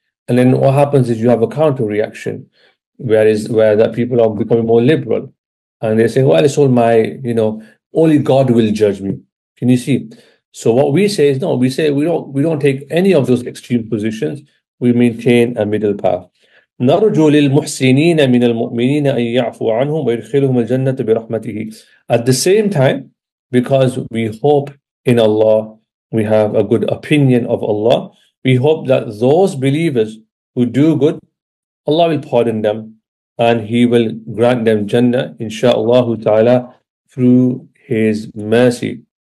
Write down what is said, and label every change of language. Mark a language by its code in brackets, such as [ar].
[en] And then what happens is you have a counter-reaction where that people are becoming more liberal. And they're saying, well, it's all my, you know, only God will judge me. Can you see? So what we say is, no, we say we don't take any of those extreme positions. We maintain a middle path. [ar] نرجو للمحسنين من المؤمنين أن يعفو عنهم ويدخلهم الجنة برحمته. [en] At the same time, because we hope in Allah, we have a good opinion of Allah, we hope that those believers who do good, Allah will pardon them and He will grant them Jannah, insha'Allah ta'ala, through His mercy.